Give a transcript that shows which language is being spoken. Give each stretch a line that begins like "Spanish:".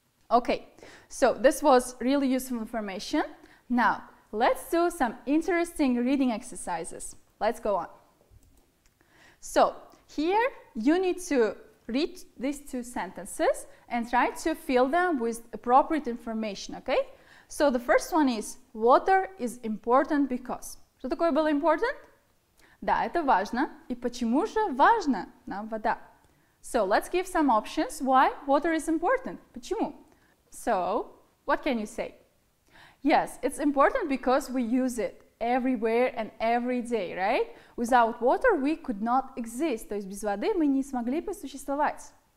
English: Okay, so this was really useful information. Now, let's do some interesting reading exercises. Let's go on. So, here you need to read these two sentences and try to fill them with appropriate information, okay? So, the first one is, water is important because.
Russian: Что такое было important? Да, это важно. И почему же важно нам вода?
English: So, let's give some options why water is important.
Russian: Почему?
English: So, what can you say? Yes, it's important because we use it everywhere and every day, right? Without water, we could not exist.
Russian: То есть без воды мы не смогли бы существовать.